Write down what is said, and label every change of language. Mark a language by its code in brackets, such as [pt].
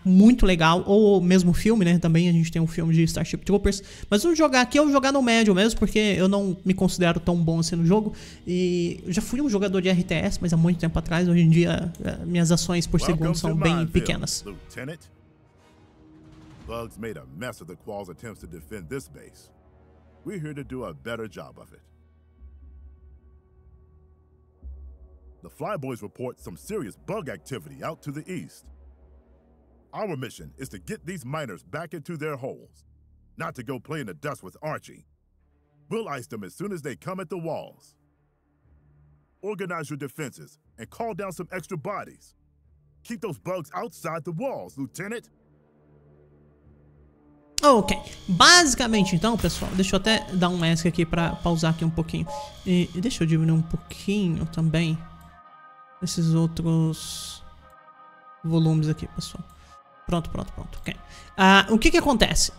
[pt] Muito legal, ou mesmo filme, né? Também a gente tem um filme de Starship Troopers, mas vamos jogar aqui, eu vou jogar no médio mesmo, porque eu não me considero tão bom assim no jogo, e já fui um jogador de RTS, mas há muito tempo atrás, hoje em dia, minhas ações por segundo são bem pequenas. [en] Bugs made a mess of the Qual's attempts to defend this base. We're here to do a better job of it. The Flyboys report some serious bug activity out to the east. Our mission is to get these miners back into their holes, not to go play in the dust with Archie. We'll ice them as soon as they come at the walls. Organize your defenses and call down some extra bodies. Keep those bugs outside the walls, Lieutenant. [pt] Ok, basicamente então, pessoal, deixa eu até dar um ESC aqui pra pausar aqui um pouquinho. E deixa eu diminuir um pouquinho também esses outros volumes aqui, pessoal. Pronto, pronto, pronto, ok. O que que acontece?